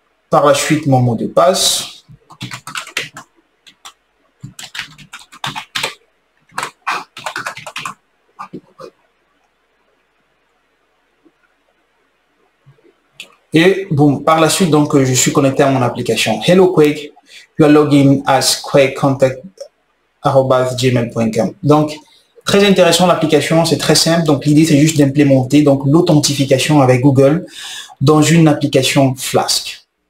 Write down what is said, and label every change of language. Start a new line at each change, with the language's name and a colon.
French: Par la suite, mon mot de passe. Et boum, par la suite, donc, je suis connecté à mon application.
English: Hello Quake, you are logged in as quakecontact@gmail.com.
French: Donc, très intéressant l'application, c'est très simple. Donc, l'idée, c'est juste d'implémenter donc l'authentification avec Google dans une application Flask.